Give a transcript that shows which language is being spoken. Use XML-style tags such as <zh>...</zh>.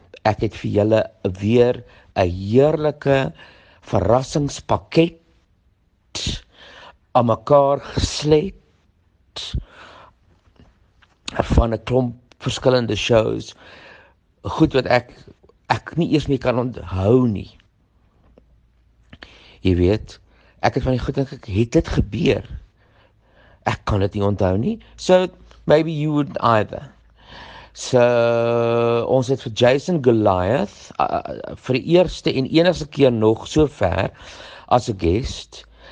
<af>Ek het vir julle weer 'n heerlike verrassingspakket aan mekaar geslet van 'n klomp verskillende shows. Goed wat ek nie eers meer kan onthou nie. Jy weet, ek het van die goed dink ek het dit gebeur. Ek kan dit nie onthou nie.</af> <en>So maybe you would either.</en> <af>So ons het vir Jason Goliath vir die eerste en enigste keer nog so ver as 'n guest.</af>